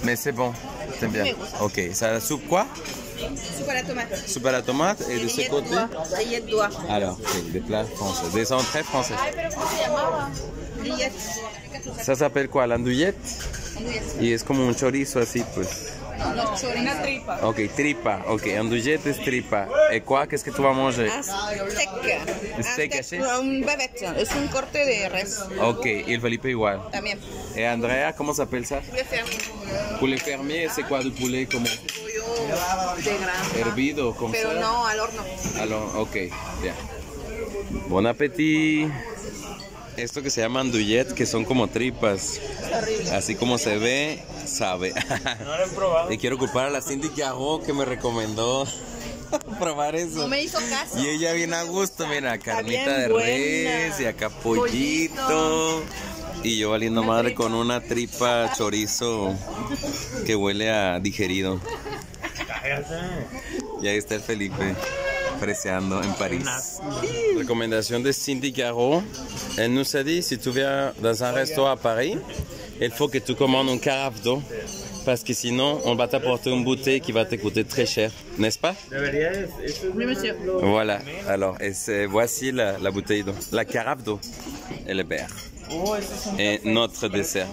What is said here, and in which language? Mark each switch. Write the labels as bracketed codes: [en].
[fr] Mais c'est bon. C'est bien. Ok. Ça, la soupe quoi? Soupe à la tomate. Soupe à la tomate. Et de ce côté? Rillette d'oie. Alors, okay. Des plats français. Des entrées françaises. Rillette. Ça s'appelle quoi? L'andouillette? Andouillette. Et est-ce comme un chorizo, [es] así, pues? No, una tripa. Ok, tripa. Ok, andouillette es tripa. ¿Y qué es que tú vas a [fr] manger? [es] Steak. Steak, ¿sí? Un bavette. Es un corte de res. Ok, y el Felipe igual. También. ¿Y Andrea, cómo [fr] se appelle ça? Poulet fermier. Poulet fermier, ¿c'est quoi du poulet? [es] Como. Pollo de granja. Hervido, como. Pero no, al horno. Al horno, ok, ya. [en] Yeah. [fr] Bon appétit. [es] Esto que se llama andouillette, que son como tripas. Así como se ve, sabe. No lo he probado. Y quiero culpar a la Cindy Garro que me recomendó probar eso. No me hizo caso. Y ella bien a gusto, mira, carnita de res y acá pollito. Y yo valiendo madre con una tripa chorizo que huele a digerido. Cállate. Y ahí está el Felipe. Preciando en París. Recomendación de Cindy Garro. [fr] Elle nous a dit, si tu viens dans un resto à Paris, il faut que tu commandes un carafe d'eau. Parce que sinon, on va t'apporter une bouteille qui va te coûter très cher. N'est-ce pas? Oui, monsieur. Voilà. Alors, voici la bouteille d'eau. La carafe d'eau. Elle est belle. Et notre dessert.